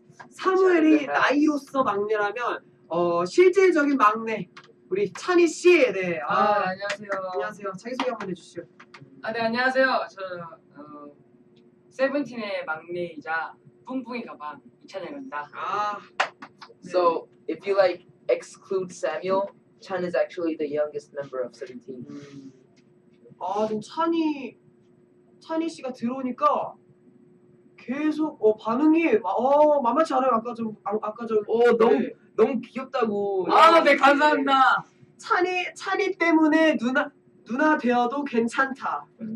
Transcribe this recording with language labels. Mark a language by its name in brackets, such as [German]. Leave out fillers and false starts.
[Korean] 사무엘이 나이로서 막내라면 실질적인 막내 우리 찬이 씨에 대해. 네. 아 안녕하세요. 안녕하세요. 자기소개 한번 해주시죠. 아 네 안녕하세요. 저 세븐틴의 막내이자 뿡뿡이 가방 이찬이랍니다. 아. [English] So if you like exclude Samuel, Chan is actually the youngest member of 17. [Korean] 아, 지금 찬이 씨가 들어오니까 계속 반응이 만만치 않아요. 아까 좀 너무 네. 너무 귀엽다고. 아, 네 감사합니다. 찬이 때문에 누나 되어도 괜찮다.